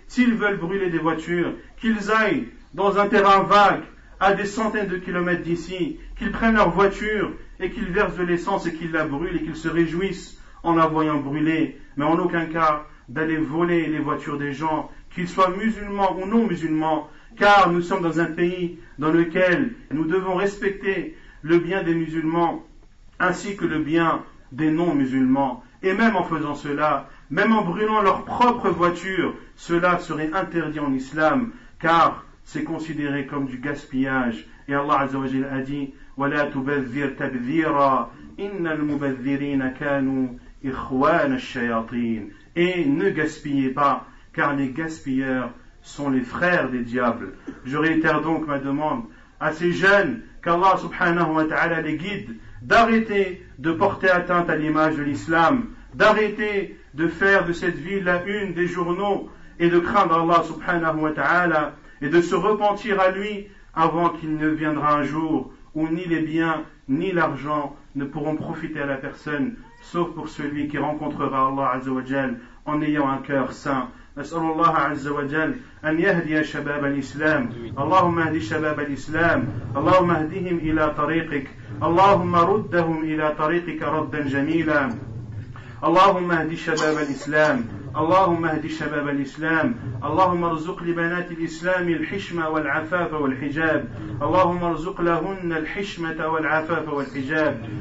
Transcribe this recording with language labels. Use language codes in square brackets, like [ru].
[fr] S'ils veulent brûler des voitures, qu'ils aillent dans un terrain vague à des centaines de kilomètres d'ici, qu'ils prennent leur voiture et qu'ils versent de l'essence et qu'ils la brûlent et qu'ils se réjouissent en la voyant brûler, mais en aucun cas d'aller voler les voitures des gens, qu'ils soient musulmans ou non musulmans, car nous sommes dans un pays dans lequel nous devons respecter le bien des musulmans ainsi que le bien des non-musulmans. Et même en faisant cela, même en brûlant leur propre voiture, cela serait interdit en islam, car c'est considéré comme du gaspillage. Et Allah Azza wa Jalla a dit: [ar] وَلَا تُبَذِّرْ تَبْذِيرًا إِنَّ الْمُبَذِّرِينَ كَانُوا إِخْوَانَ الشَّيَاطِينَ. [fr] Et ne gaspillez pas, car les gaspilleurs sont les frères des diables. Je réitère donc ma demande à ces jeunes, qu'Allah subhanahu wa ta'ala les guide, d'arrêter de porter atteinte à l'image de l'islam, d'arrêter de faire de cette ville la une des journaux et de craindre Allah subhanahu wa ta'ala et de se repentir à lui avant qu'il ne viendra un jour où ni les biens ni l'argent ne pourront profiter à la personne sauf pour celui qui rencontrera Allah azza wa jal en ayant un cœur saint. [ar] نسأل الله عز وجل أن يهدي شباب الإسلام. اللهم اهدي شباب الإسلام، اللهم اهدهم إلى طريقك، اللهم ردهم إلى طريقك ردا جميلا. اللهم اهدي شباب الإسلام، اللهم اهدي شباب الإسلام، اللهم ارزق لبنات الإسلام الحشمة والعفاف والحجاب، اللهم ارزق لهن الحشمة والعفاف والحجاب.